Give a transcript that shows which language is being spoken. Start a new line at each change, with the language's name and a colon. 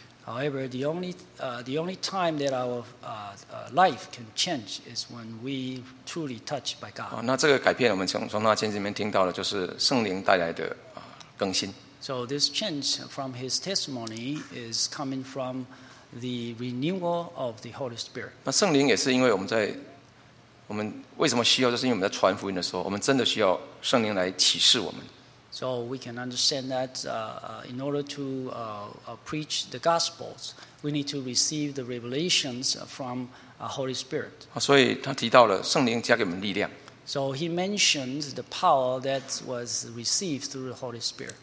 English: However, the only time that our life can change is when we truly touched by God.
Chinese: 那这个改变，我们从那见证里面听到的，就是圣灵带来的更新。
English: So this change from his testimony is coming from the renewal of the Holy Spirit.
Chinese: 那圣灵也是因为我们为什么需要，就是因为我们在传福音的时候，我们真的需要圣灵来启示我们。
English: So we can understand that in order to preach the gospels, we need to receive the revelations from the Holy Spirit.
Chinese: 所以他提到了圣灵加给我们力量。
English: So he mentioned the power that was received through the Holy Spirit.